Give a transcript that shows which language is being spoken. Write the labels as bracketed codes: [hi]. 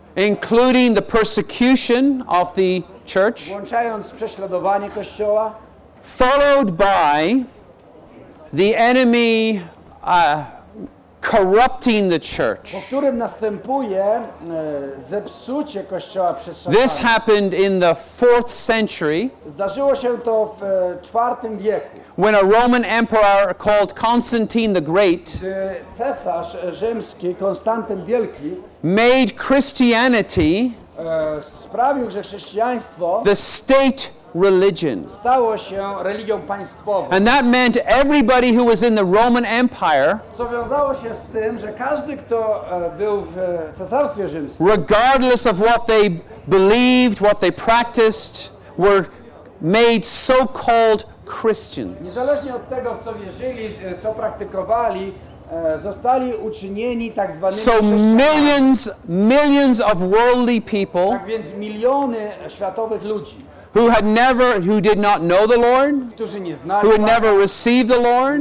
[en] Including the persecution of the church, [pl] włączając prześladowanie Kościoła, [en] followed by the enemy corrupting the church. [pl] Po którym następuje zepsucie Kościoła przez Szatana. [en] This happened in the 4th century. [pl] Zdarzyło się to w 4 wieku. [en] When a Roman emperor called Constantine the Great, [pl] cesarz rzymski Konstantyn Wielki, [en] made Christianity, [pl] sprawił, że chrześcijaństwo, [en] the state religion. [pl] Stało się religią państwową. [en] And that meant everybody who was in the Roman Empire, [pl] co wiązało się z tym, że każdy, kto był w cesarstwie rzymskim, [en] regardless of what they believed, what they practiced, were made so-called Christians. [pl] Niezależnie od tego, w co wierzyli, co praktykowali, zostali uczynieni tak zwanymi chrześcijanami. [en] So millions of worldly people, [pl] tak więc miliony światowych ludzi, [en] who did not know the Lord, [pl] którzy nie znali, [en] who had never received the Lord,